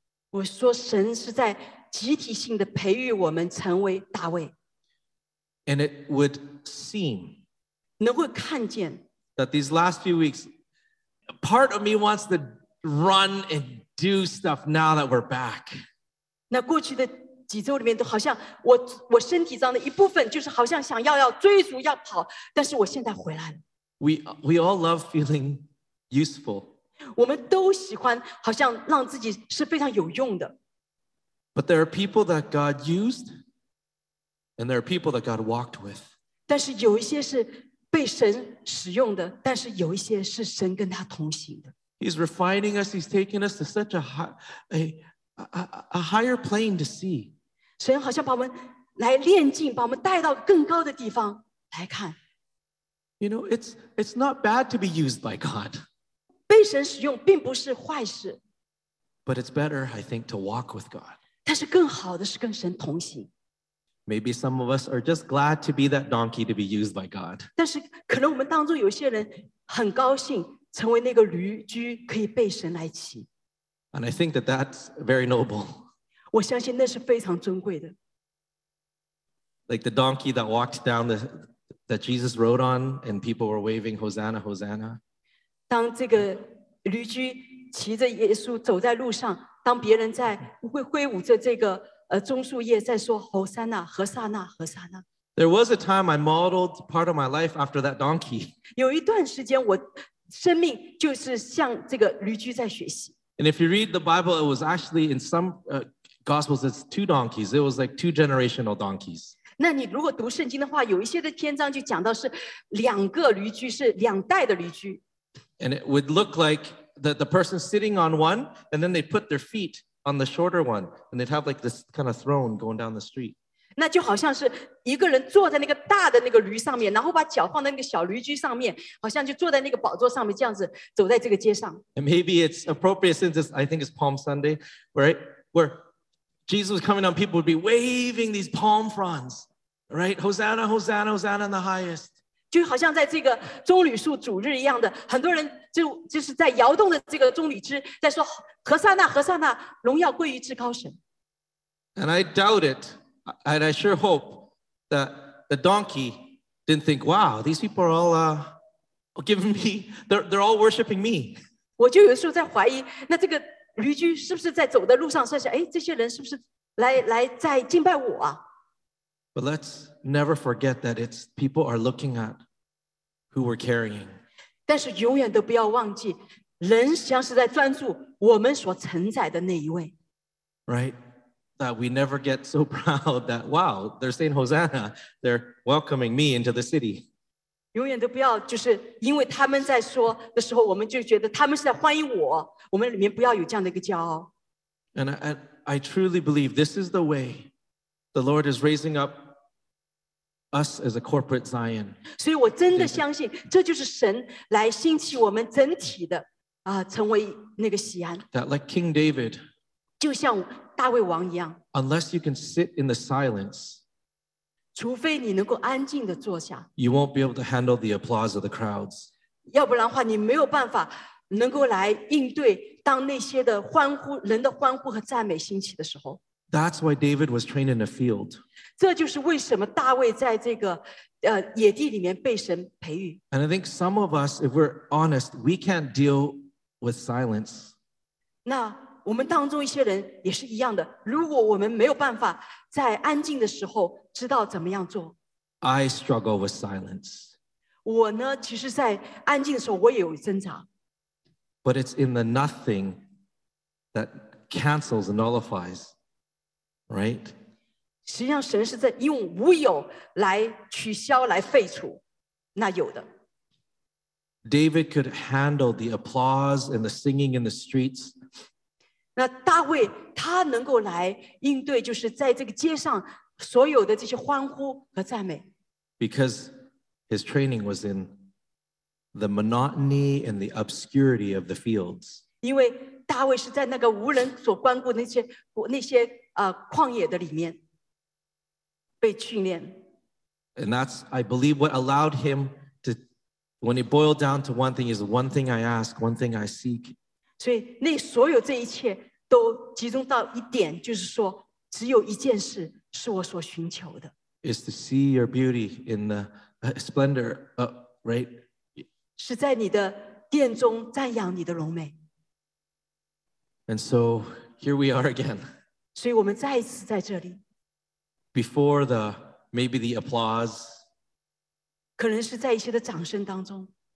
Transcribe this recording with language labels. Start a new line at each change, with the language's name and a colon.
Chinese: 我说神是在集体性地培育我们成为大卫。
English: And it would seem
Chinese: 能够看见
English: that these last few weeks, part of me wants to run and do stuff now that we're back.
Chinese: 那过去的几周里面都好像我身体上的一部分就是好像想要追逐要跑，但是我现在回来了。
English: We all love feeling useful.
Chinese: 我们都喜欢好像让自己是非常有用的。
English: But there are people that God used, and there are people that God walked with.
Chinese: 但是有一些是被神使用的，但是有一些是神跟他同行的。
English: He's refining us. He's taking us to such a higher plane to see.
Chinese: 神好像把我们来炼净，把我们带到更高的地方来看。
English: You know, it's not bad to be used by God.
Chinese: 被神使用并不是坏事。
English: But it's better, I think, to walk with God.
Chinese: 但是更好的是跟神同行。
English: Maybe some of us are just glad to be that donkey to be used by God.
Chinese: 但是可能我们当中有些人很高兴。成为那个驴驹可以被神来骑。
English: And I think that that's very noble.
Chinese: 我相信那是非常尊贵的。
English: Like the donkey that walked down that Jesus rode on and people were waving Hosanna, Hosanna.
Chinese: 当这个驴驹骑着耶稣走在路上，当别人在挥舞着这个棕树叶在说 Hosanna, Hosanna, Hosanna。
English: There was a time I modeled part of my life after that donkey.
Chinese: 有一段时间我生命就是向这个驴驹在学习。
English: And if you read the Bible, it was actually in some Gospels, it's two donkeys. It was like two generational donkeys.
Chinese: 那你如果读圣经的话，有一些的篇章就讲到是两个驴驹，是两代的驴驹。
English: And it would look like the person sitting on one, and then they put their feet on the shorter one, and they'd have like this kind of throne going down the street.
Chinese: 那就好像是一个人坐在那个大的那个驴上面，然后把脚放在那个小驴驹上面，好像就坐在那个宝座上面，这样子走在这个街上。
English: And maybe it's appropriate since I think it's Palm Sunday, right? Where Jesus was coming down, people would be waving these palm fronds, right? Hosanna, Hosanna, Hosanna in the highest.
Chinese: 就好像在这个棕榈树主日一样的，很多人就是在摇动的这个棕榈枝，在说何塞纳，何塞纳，荣耀归于至高神。
English: And I doubt it. And I sure hope that the donkey didn't think, wow, these people are all giving me, they're all worshiping me.
Chinese: 我就有时候在怀疑，那这个驴驹是不是在走的路上，想想，哎，这些人是不是来在敬拜我啊？
English: But let's never forget that it's people are looking at who we're carrying.
Chinese: 但是永远都不要忘记，人像是在专注我们所承载的那一位。
English: Right? That we never get so proud that, wow, they're saying Hosanna, they're welcoming me into the city.
Chinese: 永远都不要就是因为他们在说的时候我们就觉得他们是在欢迎我，我们里面不要有这样的一个骄傲。
English: And I truly believe this is the way the Lord is raising up us as a corporate Zion.
Chinese: 所以我真的相信这就是神来兴起我们整体的成为那个锡安。
English: That like King David,
Chinese: 就像
English: Unless you can sit in the silence,
Chinese: 除非你能够安静地坐下,
English: you won't be able to handle the applause of the crowds.
Chinese: 要不然的话，你没有办法能够来应对当那些的欢呼、人的欢呼和赞美兴起的时候。
English: That's why David was trained in the field.
Chinese: 这就是为什么大卫在这个野地里面被神培育。
English: And I think some of us, if we're honest, we can't deal with silence.
Chinese: 那我们当中一些人也是一样的，如果我们没有办法在安静的时候知道怎么样做。
English: I struggle with silence.
Chinese: 我呢，其实在安静的时候我也有挣扎。
English: But it's in the nothing that cancels and nullifies, right?
Chinese: 实际上神是在用无有来取消，来废除那有的。
English: David could handle the applause and the singing in the streets.
Chinese: 那大卫他能够来应对就是在这个街上所有的这些欢呼和赞美。
English: Because his training was in the monotony and the obscurity of the fields.
Chinese: 因为大卫是在那个无人所关顾的那些旷野的里面被训练。
English: And that's, I believe, what allowed him to, when he boiled down to one thing, is one thing I ask, one thing I seek.
Chinese: 所以那所有这一切都集中到一点，就是说只有一件事是我所寻求的。
English: Is to see your beauty in the splendor, right?
Chinese: 是在你的殿中瞻仰你的荣美。
English: And so here we are again.
Chinese: 所以我们再一次在这里。
English: Before the maybe the applause.
Chinese: 可能是在一些的掌声当中。